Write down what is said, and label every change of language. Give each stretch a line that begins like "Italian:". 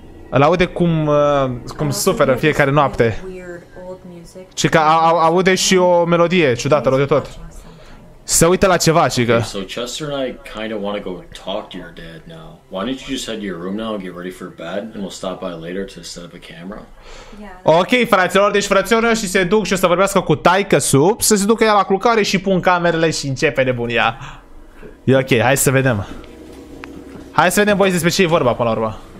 Romanian: Îl aude cum suferă fiecare noapte. Și că aude și o melodie ciudată, rău de tot. Se uită la ceva, și că...
English: So Chester and I kind of want to go talk to your dad now. Why don't you just head to your room now and get ready for bed and we'll stop by later to set up a camera?
Romanian: Ok, fraților, deci frățiorul meu și se duc și o să vorbească cu taică-su, să se ducă ea la culcare și pun camerele și începe nebunia. E ok, hai să vedem. Hai să vedem, boys, despre ce e vorba până la urmă.